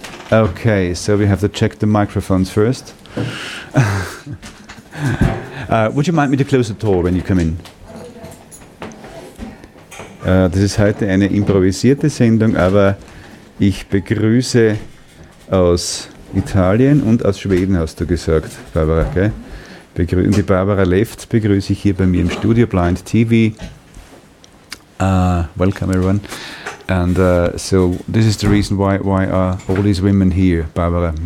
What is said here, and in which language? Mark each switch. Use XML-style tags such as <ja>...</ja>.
<en>Okay, so we have to check the microphones first. Would you mind me to close the door when you come in?</en> <de>Das ist heute eine improvisierte Sendung, aber ich begrüße aus Italien und aus Schweden, hast du gesagt, Barbara, gell? Die Barbara Lefts begrüße ich hier bei mir im Studio, Blind TV.</de> <en>Welcome, everyone. And so, this is the reason why are all these women here, Barbara.</en>